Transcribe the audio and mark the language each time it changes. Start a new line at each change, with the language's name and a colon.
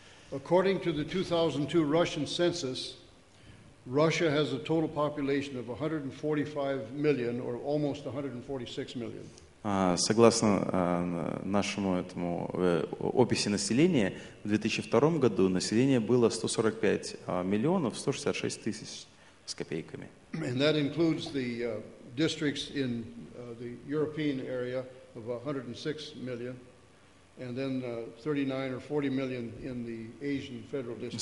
English: According to the 2002 Russian census, Russia has a total population of 145 million, or almost 146 million.
Russian: Согласно нашему этому описи населения, в 2002 году население было 145 миллионов 166 тысяч с копейками.
English: And that includes the districts in the European area of 106 million. And then 39 or 40 million in the Asian federal district.